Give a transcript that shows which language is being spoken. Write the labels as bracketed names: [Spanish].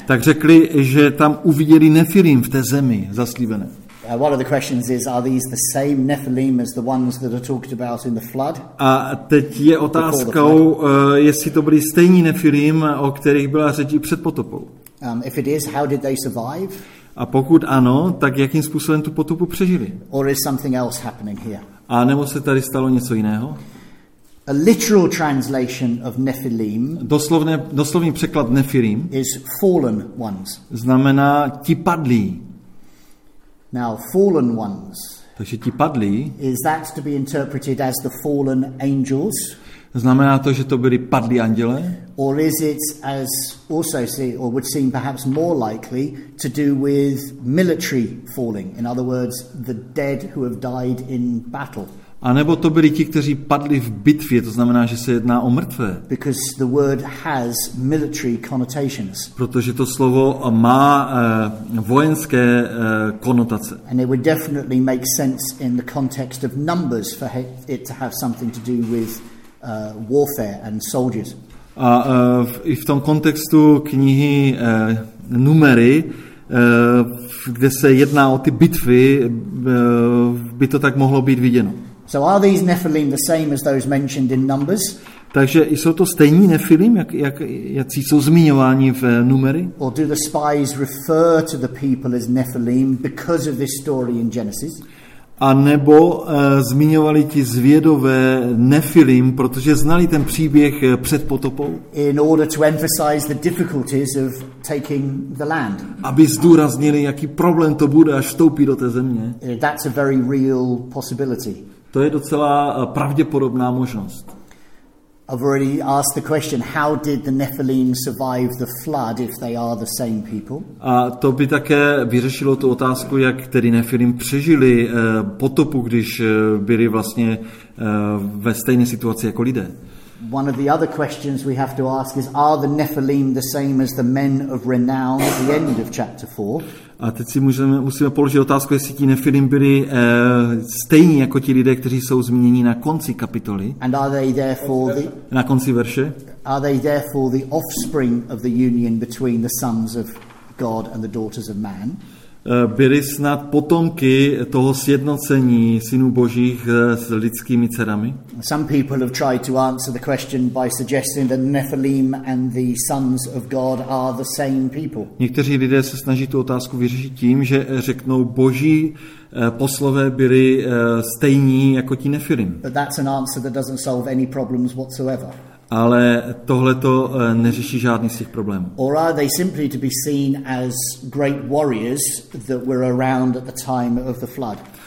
[Czech] Tak řekli, že tam uviděli Nephilim v té zemi zaslíbené. [English] One of the questions is, are these the same Nephilim as the ones that are talked about in the flood? [Czech] A teď je otázkou, jestli to byly stejní Nephilim, o kterých byla řeč i před potopou. [English] If it is, how did they survive? [Czech] A pokud ano, tak jakým způsobem tu potopu přežili? [English] Or is something else happening here? [Czech] A nebo se tady stalo něco jiného? [English] A literal translation of Nephilim. [Czech] Doslovný překlad Nephilim. [English] Is fallen ones. [Czech] Znamená ti padlí. [English] Now fallen ones. [Czech] Takže ti padlí. [English] Is that to be interpreted as the fallen angels? [Czech] Znamená to, že to byli padlí anděle? [English] Or is it as also see or would seem perhaps more likely to do with military falling, in other words, the dead who have died in battle? [Czech] A nebo to byli ti, kteří padli v bitvě, to znamená, že se jedná o mrtvé. [English] Because the word has military connotations. [Czech] Protože to slovo má vojenské konotace. [English] And it would definitely make sense in the context of numbers for it to have something to do with warfare and soldiers. [Czech] A i v tom kontextu knihy Numery, kde se jedná o ty bitvy, by to tak mohlo být viděno. [English] So are these Nephilim the same as those mentioned in Numbers? [Czech] Takže jsou to stejní Nephilim, jak jsou zmiňováni v Numeri? [English] Or do the spies refer to the people as Nephilim because of this story in Genesis? [Czech] A nebo zmiňovali ti zvědové Nephilim, protože znali ten příběh před potopou? [English] In order to emphasize the difficulties of taking the land. [Czech] Aby zdůraznili, jaký problém to bude, až vstoupí do té země. [English] That's a very real possibility. [Czech] To je docela pravděpodobná možnost. [English] I've already asked the question, how did the Nephilim survive the flood if they are the same people? [Czech] A to by také vyřešilo tu otázku, jak tedy Nephilim přežili potopu, když byli vlastně ve stejné situaci jako lidé. [English] One of the other questions we have to ask is, are the Nephilim the same as the men of renown at the end of chapter 4? [Czech] A teď si musíme položit otázku, jestli ti Nephilim byli stejní jako ti lidé, kteří jsou zmíněni na konci kapitoly. [English] And are they therefore the, [Czech] na konci verše. [English] Are they therefore the offspring of the union between the sons of God and the daughters of man? [Czech] Byli snad potomky toho sjednocení synů božích s lidskými dcerami? [English] Some people have tried to answer the question by suggesting that Nephilim and the sons of God are the same people. [Czech] Někteří lidé se snaží tu otázku vyřešit tím, že řeknou boží poslové byli stejní jako ti Nephilim. [English] But that's an answer that doesn't solve any problems whatsoever. [Czech] Ale tohle to neřeší žádný z těch problémů. [English] Or are they simply to be seen as great warriors that were around at the time of the flood?